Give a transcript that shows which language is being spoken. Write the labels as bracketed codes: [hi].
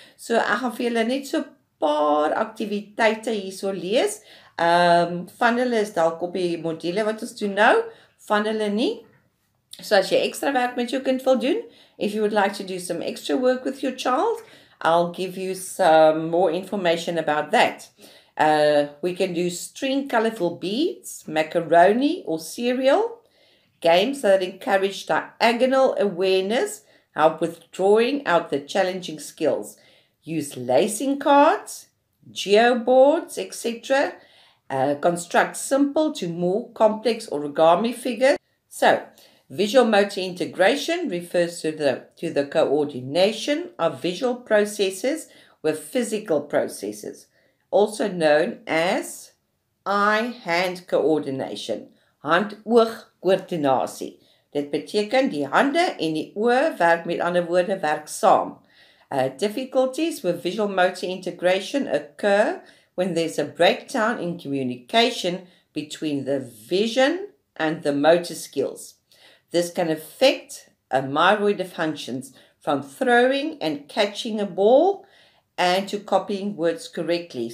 [af] So ek gaan vir julle net so 'n paar aktiwiteite hierso lees. Van hulle is dalk op die module wat ons doen nou, van hulle nie. So as jy ekstra werk met jou kind wil doen, [en] if you would like to do some extra work with your child, I'll give you some more information about that. We can do string colorful beads, macaroni or cereal, games that encourage diagonal awareness, help with drawing out the challenging skills, use lacing cards, geo boards, etc., construct simple to more complex origami figures. So, visual motor integration refers to the coordination of visual processes with physical processes, also known as eye-hand coordination, [af] hand-oog koördinasie. Dit beteken die hande en die oë werk met ander woorde werk saam. [en] Difficulties with visual motor integration occur when there's a breakdown in communication between the vision and the motor skills. This can affect a myriad of functions from throwing and catching a ball and to copying words correctly.